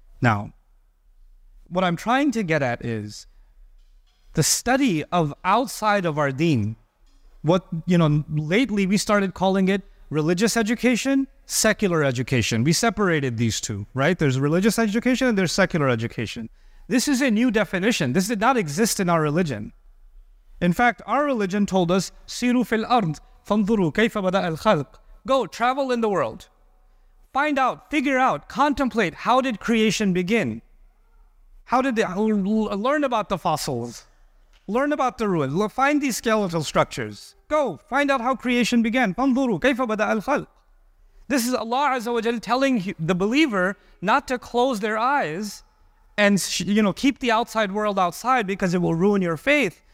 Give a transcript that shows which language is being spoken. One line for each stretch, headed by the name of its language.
English: Now, what I'm trying to get at is the study of outside of our deen, what, you know, lately we started calling it religious education, secular education. We separated these two, right? There's religious education and there's secular education. This is a new definition. This did not exist in our religion. In fact, our religion told us,
Arabic: سِيرُوا فِي الْأَرْضِ فَانْظُرُوا كَيْفَ بَدَأَ الْخَلْقِ.
English: Go, travel in the world. Find out, figure out, contemplate, how did creation begin? How did they learn about the fossils? Learn about the ruins. Find these skeletal structures. Go, find out how creation began.
Arabic: فَانْظُرُوا كَيْفَ بَدَأَ الْخَلْقِ.
English: This is Allah Azza wa Jal telling the believer not to close their eyes and, you know, keep the outside world outside because it will ruin your faith.